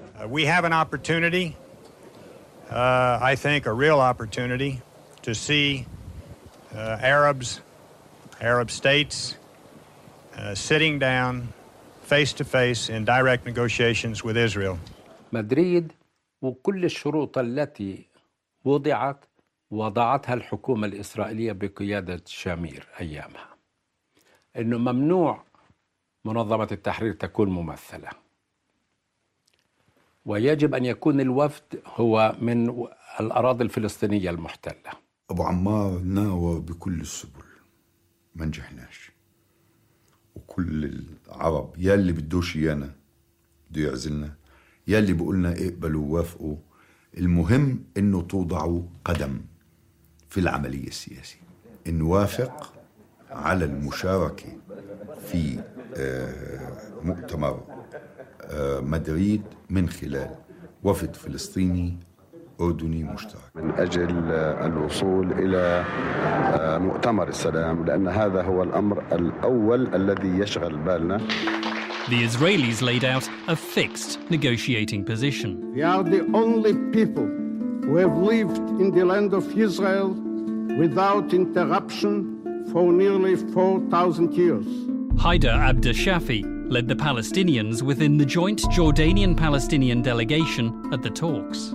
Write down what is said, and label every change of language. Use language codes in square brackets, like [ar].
[en] We have an opportunity, I think a real opportunity, to see Arabs, Arab states, sitting down face-to-face in direct negotiations with Israel. [ar] Madrid, وكل الشروط التي وضعت وضعتها الحكومة الإسرائيلية بقيادة شامير أيامها إنه ممنوع منظمة التحرير تكون ممثلة ويجب أن يكون الوفد هو من الأراضي الفلسطينية المحتلة أبو عمار ناوى بكل السبل ما نجحناش وكل العرب يا اللي بدوش إيانا بدو يعزلنا يا اللي بقولنا اقبلوا ووافقوا المهم إنه توضعوا قدم في العملية السياسية نوافق على المشاركة في مؤتمر مدريد من خلال وفد فلسطيني أردني مشترك من أجل الوصول إلى مؤتمر السلام لأن هذا هو الأمر الأول الذي يشغل بالنا. [en] The Israelis laid out a fixed negotiating position. We are the only people who have lived in the land of Israel without interruption for nearly 4,000 years. Haider Abdeshafi led the Palestinians within the joint Jordanian-Palestinian delegation at the talks.